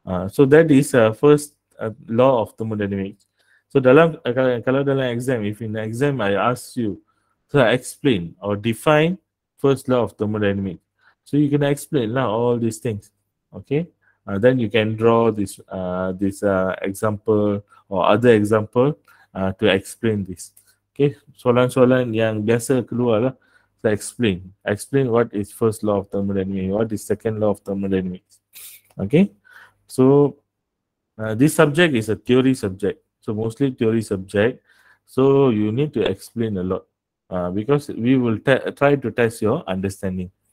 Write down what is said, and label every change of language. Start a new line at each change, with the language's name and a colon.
English: So that is first law of thermodynamics. So
Malay: dalam kalau dalam
English: exam, if in the exam I ask you to explain or define first law of thermodynamics, so you can explain now all these things. Okay, then you can draw this example or other example to explain this.
Malay: Okay, soalan-soalan yang biasa keluar lah.
English: Explain what is first law of thermodynamics, what is second law of thermodynamics. Okay, so this subject is a theory subject, so mostly theory subject, so you need to explain a lot because we will try to test your understanding.